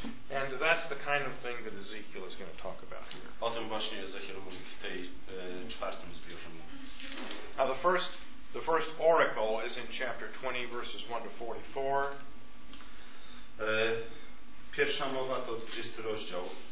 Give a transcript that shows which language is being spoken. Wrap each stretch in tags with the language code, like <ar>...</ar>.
<en>And that's the kind of thing that Ezekiel is going to talk about here.</en> <pl>O tym właśnie Ezekiel mówi w tej czwartym zbiorze.</pl> <en>Now the first oracle is in chapter 20, verses 1-44.</en> <pl>Pierwsza mowa to 20 rozdział.</pl>